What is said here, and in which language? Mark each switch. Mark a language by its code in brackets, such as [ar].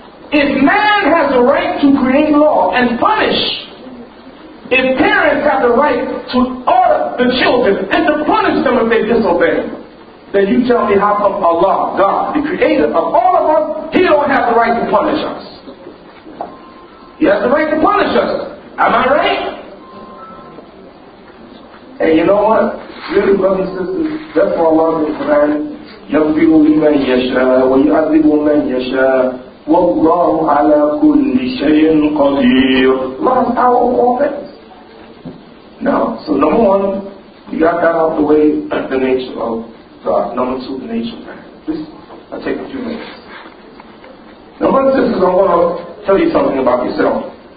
[en] If man has the right to create law and punish, if parents have the right to order the children and to punish them if they disobey, then you tell me how come Allah, God, the creator of all of us, He don't have the right to punish us. He has the right to punish us. Am I right? And you know what? Really, brothers and sisters, that's why Allah is commanding. [ar] يغفر لمن يشاء ويعذب من يشاء والله على كل شيء قدير. [en] Allah is power of all things. Now, so number one, we got that out of the way at the nature of God. Number two, the nature of man. This, I'll take a few minutes. Number one, sisters, I want to tell you something about yourself.